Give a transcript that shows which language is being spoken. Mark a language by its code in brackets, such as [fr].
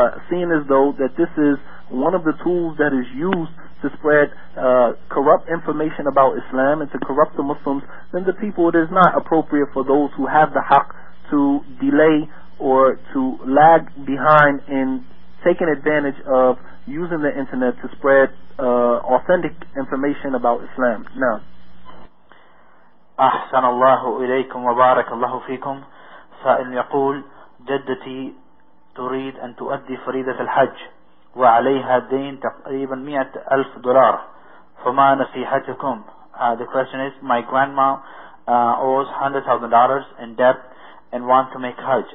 [en] Seeing as though that this is one of the tools that is used to spread corrupt information about Islam and to corrupt the Muslims, then the people, it is not appropriate for those who have the haq to delay or to lag behind in taking advantage of using the internet to spread authentic information about Islam. Now, [ar] أحسن الله إليكم وبارك الله فيكم. سائل يقول: جدتي تريد أن تؤدي فريضة الحج وعليها دين تقريبا 100,000 dollars. فما نصيحتكم؟ [en] The question is: my grandma owes 100,000 dollars in debt and wants to make Hajj.